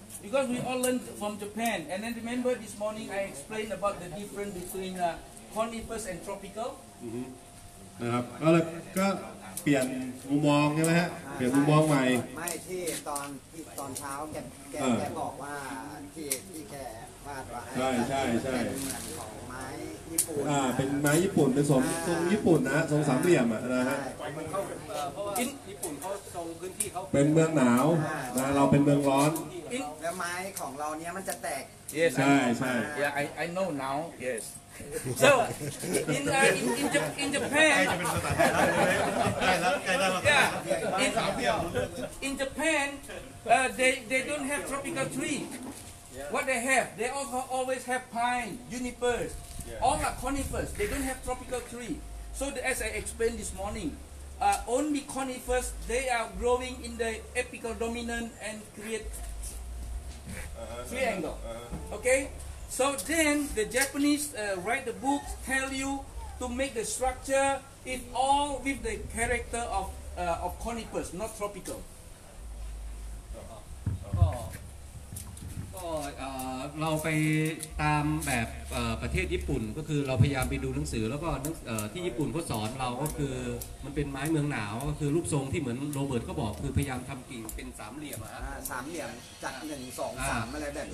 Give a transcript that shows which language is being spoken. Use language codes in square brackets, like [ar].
[en] because we all learn from Japan and then remember this morning I explained about the difference between conifers and tropical [th] นะครับก็เลยก็เปลี่ยนมุมมองใช่ไหมฮะเปลี่ยนมุมมองใหม่ไม่ที่ตอนเช้าแกบอกว่าที่แกวาดว่า ใช่ใช่ใช่ เป็นของไม้ญี่ปุ่น เป็นไม้ญี่ปุ่นเป็นทรงญี่ปุ่นนะทรงสามเหลี่ยมนะฮะ เพราะว่าญี่ปุ่นเขาทรงพื้นที่เขา เป็นเมืองหนาวนะเราเป็นเมืองร้อน แล้วไม้ของเราเนี้ยมันจะแตก ใช่ใช่ [en] I know now yesSo in Japan, in Japan, they don't have tropical tree. What they have, they also always have pine, junipers, all are conifers. They don't have tropical tree. So as I explained this morning, only conifers they are growing in the apical dominant and create triangle. Okay. So then the Japanese write the book tell you to make the structure in all with the character of conifers not tropical [th] ก็เราไปตามแบบประเทศญี่ปุ่นก็คือเราพยายามไปดูหนังสือแล้วก็ที่ญี่ปุ่นเขาสอนเราก็คือมันเป็นไม้เมืองหนาวก็คือรูปทรงที่เหมือนโรเบิร์ตก็บอกคือพยายามทำกิ่งเป็นสามเหลี่ยม สามเหลี่ยมจากหนึ่งสองสามอะไรแบบนี้